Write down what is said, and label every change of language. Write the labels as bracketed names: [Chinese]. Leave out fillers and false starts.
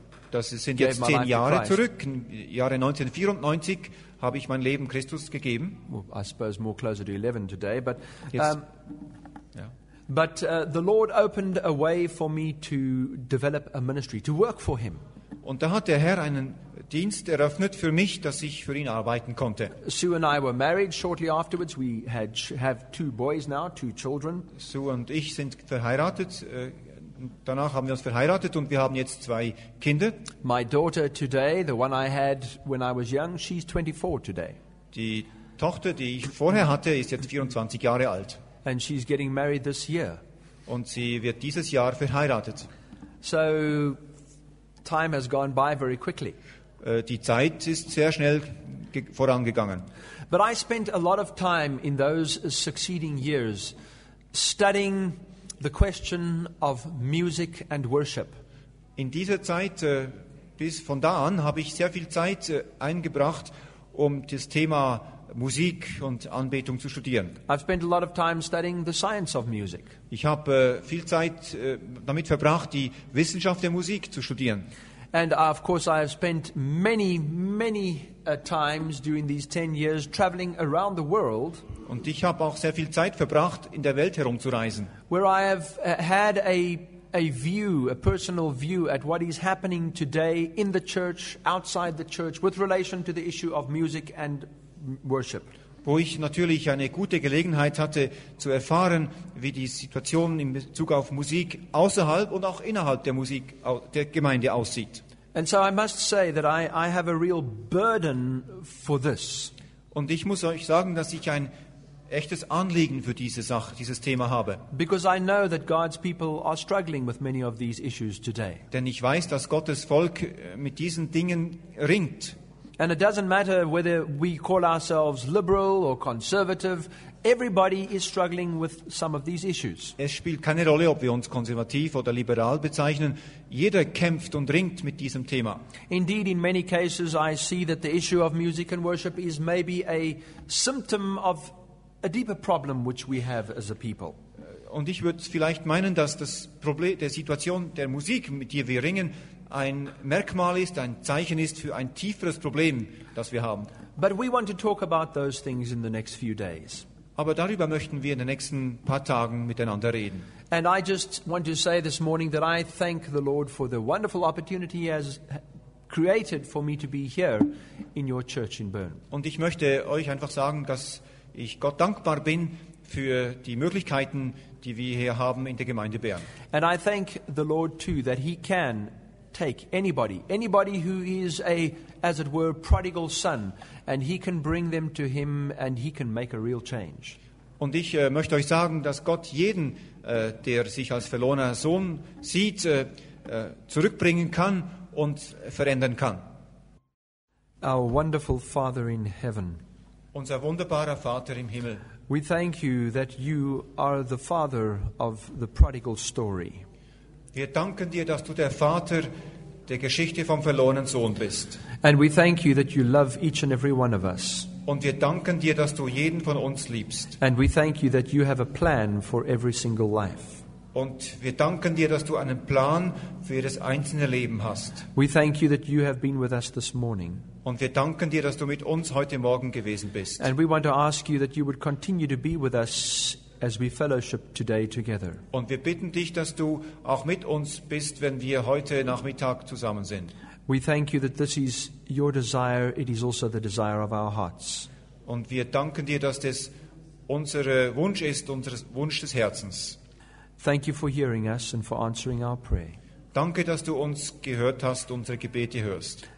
[German] das sind jetzt 10 Jahre zurück, Jahre 1994 habe ich mein Leben Christus gegeben. [English] Well, I suppose more closer to 11 today, but yes. But the Lord opened a way for me to develop a ministry, to work for him. [German] Und da hat der Herr einen Dienst eröffnet für mich, dass ich für ihn arbeiten konnte. [English] Sue and I were married shortly afterwards. We had have two boys now, two children. [German] Sue und ich sind verheiratet. Danach haben wir uns verheiratet und wir haben jetzt zwei Kinder. [English] My daughter today, the one I had when I was young, she's 24 today. [German] Die Tochter, die ich vorher hatte, ist jetzt 24 Jahre alt. [English] And she's getting married this year. [German] Und sie wird dieses Jahr verheiratet. [English] So time has gone by very quickly. [German] die Zeit ist sehr schnell vorangegangen. [English] But I spent a lot of time in those succeeding years studying the question of music and worship. [German] In dieser Zeit, bis von da an, habe ich sehr viel Zeit eingebracht, um das Thema Musik und Anbetung zu studieren. [English] I've spent a lot of time studying the science of music. [German] Ich habe viel Zeit damit verbracht, die Wissenschaft der Musik zu studieren. [English] And of course I have spent many, many times during these 10 years traveling around the world. [German] Und ich habe auch sehr viel Zeit verbracht, in der Welt herumzureisen. [English] Where I have had a personal view at what is happening today in the church, outside the church, with relation to the issue of music and worship. [German] Wo ich natürlich eine gute Gelegenheit hatte, zu erfahren, wie die Situation in Bezug auf Musik außerhalb und auch innerhalb der Musik der Gemeinde aussieht. [English] And so I must say that I have a real burden for this. [German] Und ich muss euch sagen, dass ich ein echtes Anliegen für diese Sache, dieses Thema habe. [English] Because I know that God's people are struggling with many of these issues today. [German] Denn ich weiß, dass Gottes Volk mit diesen Dingen ringt. [English] And it doesn't matter whether we call ourselves liberal or conservative, everybody is struggling with some of these issues. [German] Es spielt keine Rolle, ob wir uns konservativ oder liberal bezeichnen. Jeder kämpft und ringt mit diesem Thema. [English] Indeed, in many cases I see that the issue of music and worship is maybe a symptom of a deeper problem which we have as a people. [German] Und ich würde vielleicht meinen, dass das Problem der Situation der Musik, mit der wir ringen, ein Merkmal ist, ein Zeichen ist für ein tieferes Problem, das wir haben. [English] But we want to talk about those things in the next few days. [German] Aber darüber möchten wir in den nächsten paar Tagen miteinander reden. [English] And I just want to say this morning that I thank the Lord for the wonderful opportunity he has created for me to be here in your church in Bern. [German] Und ich möchte euch einfach sagen, dass ich Gott dankbar bin für die Möglichkeiten, die wir hier haben in der Gemeinde Bern. [English] And I thank the Lord too that he can take anybody who is a, as it were, prodigal son, and he can bring them to him and he can make a real change. [German] Und ich möchte euch sagen, dass Gott jeden, der sich als verlorener Sohn sieht, zurückbringen kann und verändern kann. [English] Our wonderful Father in heaven. [German] Unser wunderbarer Vater im Himmel. [English] We thank you that you are the father of the prodigal story. [German] Wir danken dir, dass du der Vater der Geschichte vom verlorenen Sohn bist. [English] And we thank you that you love each and every one of us. [German] Und wir danken dir, dass du jeden von uns liebst. [English] And we thank you that you have a plan for every single life. [German] Und wir danken dir, dass du einen Plan für jedes einzelne Leben hast. [English] We thank you that you have been with us this morning. [German] Und wir danken dir, dass du mit uns heute Morgen gewesen bist. [English] And we want to ask you that you would continue to be with us as we fellowship today together. [German] Und wir bitten dich, dass du auch mit uns bist, wenn wir heute Nachmittag zusammen sind. [English] We thank you that this is your desire, it is also the desire of our hearts. [German] Und wir danken dir, dass das unser Wunsch ist, unser Wunsch des Herzens. [English] Thank you for hearing us and for answering our prayer. [German] Danke, dass du uns gehört hast, unsere Gebete hörst.